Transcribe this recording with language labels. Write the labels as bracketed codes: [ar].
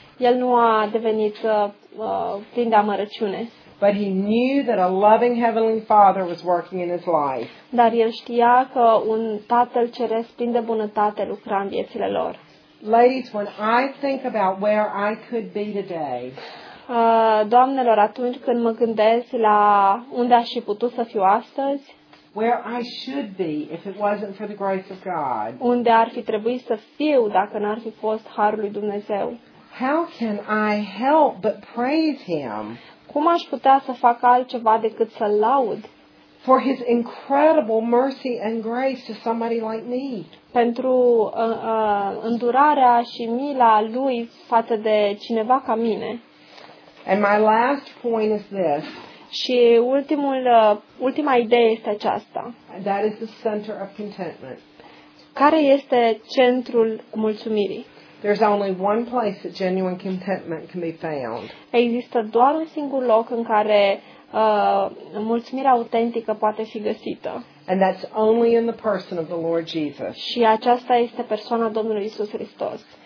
[ro] El nu a devenit plin de amărăciune. [en] But he knew that a loving heavenly Father was working in his life. [ro] Dar el știa că un Tatăl ceresc plin de bunătate lucra în viețile lor. [en] Ladies, when I think about where I could be today. [ro] Doamnelor, atunci când mă gândesc la unde aș fi putut să fiu astăzi. [en] Where I should be if it wasn't for the grace of God. [ro] Unde ar fi trebuit să fiu dacă n-ar fi fost harul lui Dumnezeu? [en] How can I help but praise him? [ro] Cum aș putea să fac altceva decât să-l laud? [en] For his incredible mercy and grace to somebody like me. [ro] Pentru îndurarea și mila lui față de cineva ca mine. [en] And my last point is this. [ro] Și ultima idee este aceasta. [en] That is the center of contentment. [ro] Care este centrul mulțumirii? [en] There's only one place that genuine contentment can be found. [ro] Există doar un singur loc în care mulțumirea autentică poate fi găsită. [en] And that's only in the person of the Lord Jesus. [ro] Și aceasta este persoana Domnului Isus Hristos.